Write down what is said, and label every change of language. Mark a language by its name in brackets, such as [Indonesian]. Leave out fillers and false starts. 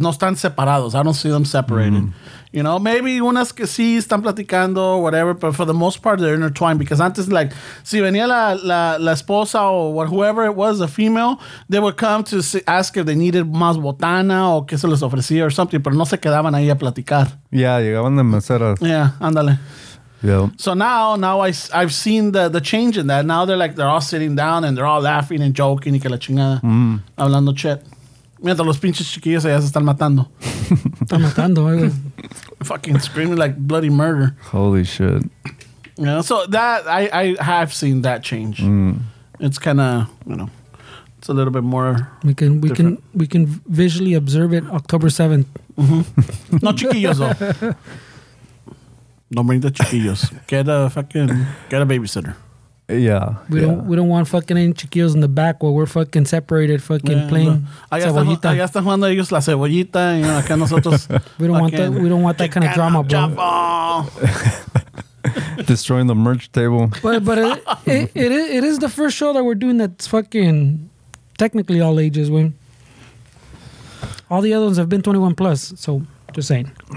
[Spanish] No están separados. [English] I don't see them separated. Mm-hmm. You know, maybe [Spanish] unas que sí están platicando, [English] whatever, but for the most part, they're intertwined because antes, like, [Spanish] si venía la esposa [English] or whoever it was, a female, they would come to ask if they needed [Spanish] más botana o que se les ofrecía [English] or something, [Spanish] pero no se quedaban ahí a platicar. Yeah, llegaban de meseras. Yeah, ándale. [English] Yeah. So now I've seen the change in that. Now they're like, they're all sitting down and they're all laughing and joking [Spanish] y que la chingada. Mm. Hablando chat. Mientras los pinches chiquillos allá se están matando. Están matando. [English] Fucking screaming like bloody murder. Holy shit. You know, so that, I have seen that change. Mm. It's kind of, you know, it's a little bit more. We can visually observe it October 7th. Mm-hmm. No chiquillos, though. Don't bring the chiquillos. Get a babysitter. Yeah. We don't want fucking any chiquillos in the back while we're fucking separated, fucking playing [Spanish] cebollita. Allá están jugando ellos la cebollita y acá nosotros. [English] We don't want that kind of drama, bro. Destroying the merch table. But it is the first show that we're doing that's fucking technically all ages. When all the other ones have been 21 plus, so just saying.